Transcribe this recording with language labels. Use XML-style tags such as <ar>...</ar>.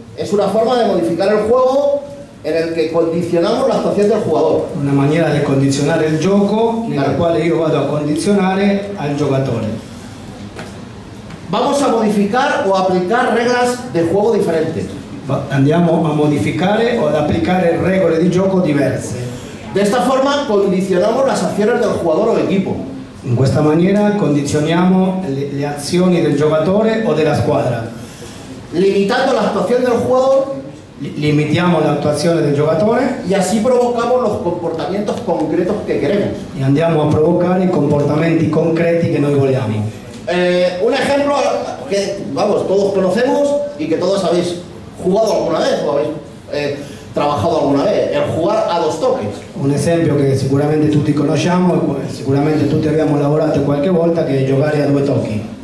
<es>es una forma de modificar el juego en el que condicionamos la actuación del jugador. Una manera de condicionar el juego en la cual yo vado a condicionar al jugador. Vamos a modificar o aplicar reglas de juego diferentes.</es> <it>Andiamo a modificare o ad applicare regole di gioco diverse. De esta forma condicionamos las acciones del jugador o equipo. In questa maniera condizioniamo le azioni del giocatore o della squadra.</it> <es>Limitando la actuación del jugador,</es> <it>limitiamo</it> <es>la actuación del jugador y así provocamos los comportamientos concretos que queremos.</es> <it>Y andiamo a provocar i comportamenti concreti che noi vogliamo.</it> <es>Un ejemplo que vamos, todos conocemos y que todos habéis jugado alguna vez o habéis trabajado alguna vez, el jugar a dos toques. Un ejemplo que</es> <it>seguramente tutti conosciamo, seguramente tutti abbiamo lavorato qualche volta, que es giocare a due tocchi.</it>